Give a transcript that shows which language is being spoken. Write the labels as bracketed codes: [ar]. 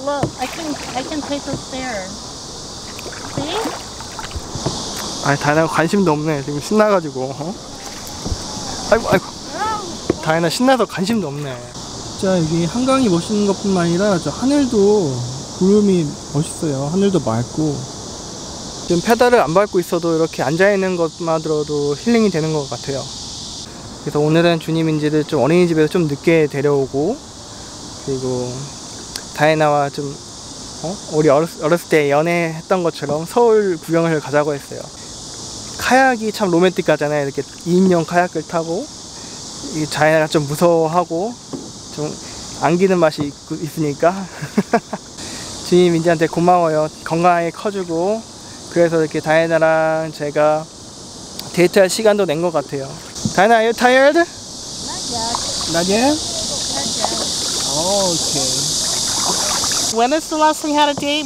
[en] Look, I can take the stairs. See? [ko] 아니 다이나가 관심도 없네. 지금 신나가지고. 어? 아이고. Oh. 다이나 신나서 관심도 없네. 진짜 여기 한강이 멋있는 것뿐만 아니라 저 하늘도. 구름이 멋있어요. 하늘도 맑고 지금 페달을 안 밟고 있어도 이렇게 앉아있는 것만으로도 힐링이 되는 것 같아요. 그래서 오늘은 주님인지를 좀 어린이집에서 좀 늦게 데려오고 그리고 다이나와 좀 우리 어렸을 때 연애했던 것처럼 서울 구경을 가자고 했어요. 카약이 참 로맨틱하잖아요. 이렇게 2인용 카약을 타고 이 다이나가 좀 무서워하고 좀 안기는 맛이 있으니까 주님 민지한테 고마워요. 건강하게 커주고 그래서 이렇게 다이나랑 제가 데이트할 시간도 낸 것 같아요. [en] 다이나, are you tired? Not yet. Not yet? Okay. When is the last time you had a date?